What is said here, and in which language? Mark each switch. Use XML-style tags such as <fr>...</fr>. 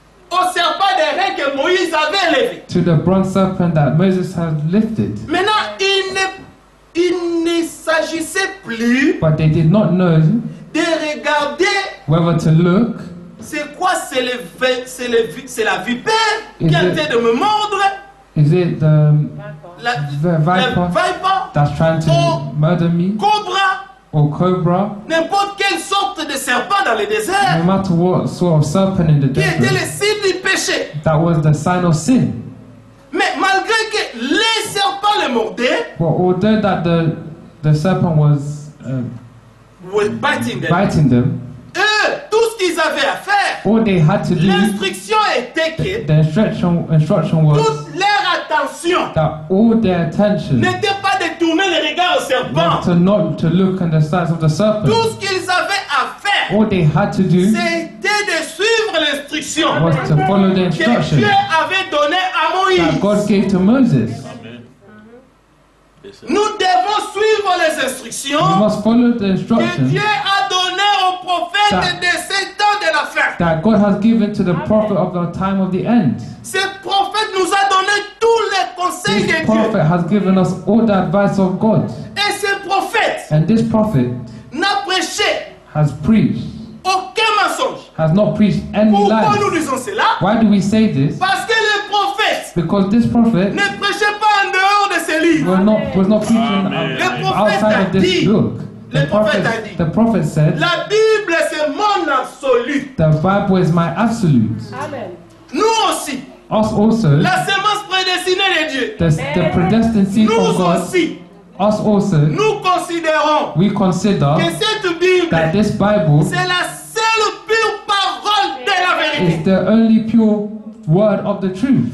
<fr>au serpent de reins que Moïse avait levé,</fr> <en>to the bronze serpent that Moses had lifted.</en> <fr>Maintenant, il ne s'agissait plus,</fr> <en>but they did not know</en> <fr>de regarder</fr> <en>whether to look.</en> <fr>C'est quoi? C'est la vipère qui essaie de me mordre.</fr> <en>Is it the viper? The viper that's trying to murder me. Cobra? Or cobra?</en> <fr>N'importe quelle sorte de serpent dans le désert.</fr> <en>No matter what sort of serpent in the desert.</en> <fr>Qui était le signe du péché?</fr> <en>That was the sign of sin.</en> <fr>Mais malgré que les serpents le mordaient,</fr> <en>although that the serpent was biting them.</en> <fr>Tout ce qu'ils avaient à faire.</fr> <en>All they had to do.</en> <fr>L'instruction était que.</fr> <en>The instruction was.</en> <fr>Toute leur attention.</fr> <en>That all their attention.</en> <fr>N'était pas de tourner le regard au serpent.</fr> <en>To not to look at the sides of the serpent.</en> <fr>Tout ce qu'ils avaient à faire.</fr> <en>All they had to do.</en> <fr>C'était de suivre l'instruction.</fr> <en>Was to follow the instruction.</en> <fr>Que Dieu avait donné à Moïse.</fr> <en>That God gave to Moses.</en> <fr>Nous devons suivre les instructions.</fr> <en>We must follow the instructions.</en> <fr>Que Dieu a donné au prophète des sept temps de la fin.</fr> <en>That God has given to the prophet of the time of the end.</en> <fr>Ce prophète nous a donné tous les conseils de Dieu.</fr> <en>This prophet has given us all the advice of God.</en> <fr>Et ce prophète.</fr> <en>And this prophet.</en> <fr>N'a prêché.</fr> <en>Has preached.</en> <fr>Aucun mensonge.</fr> <en>Has not preached any lie.</en> <fr>Pourquoi nous disons cela?</fr> <en>Why do we say this?</en> <fr>Parce que le prophète.</fr> <en>Because this prophet.</en> <fr>Ne prêchait pas en dehors.</fr> <en>Was not preaching outside of this book. The prophet said,</en> <fr>la Bible, c'est mon absolute.</fr> <en>The Bible is my absolute. Amen.</en> <fr>Nous aussi.</fr> <en>Us also.</en> <fr>La semence prédestinée de Dieu.</fr> <en>The predestined seed</en> <fr>nous</fr> <en>of God.</en> <fr>Aussi.</fr> <en>Us also.</en> <fr>Nous considérons</fr> <en>we consider</en> <fr>que cette Bible,</fr> <en>that this Bible</en> <fr>c'est la seule pure parole de la vérité.</fr> <en>Is the only pure word of the truth.</en>